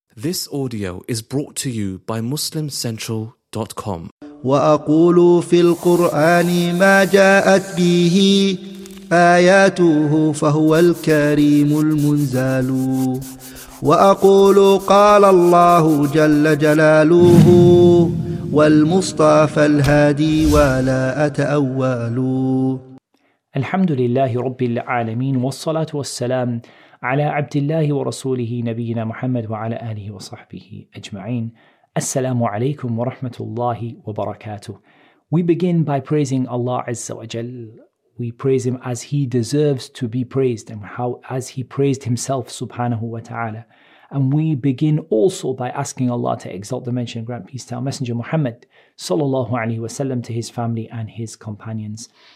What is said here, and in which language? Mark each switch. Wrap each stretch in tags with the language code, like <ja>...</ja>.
<en>This audio is brought to you by MuslimCentral.com.</en> <ar>وأقول في القرآن ما جاءت به آياته فهو الكريم المنزال. وأقول قال الله جل جلاله والمصطفى الهادي ولا أتأول. الحمد لله رب العالمين والصلاة والسلام على عبد الله ورسوله نبينا محمد وعلى آله وصحبه أجمعين. السلام عليكم ورحمة الله وبركاته.</ar> <en>We begin by praising Allah Azza wa Jal. We praise Him as He deserves to be praised and how as He praised Himself subhanahu wa ta'ala. And we begin also by asking Allah to exalt the mention and grant peace to our Messenger Muhammad sallallahu alayhi wa sallam, to his family and his companions.</en>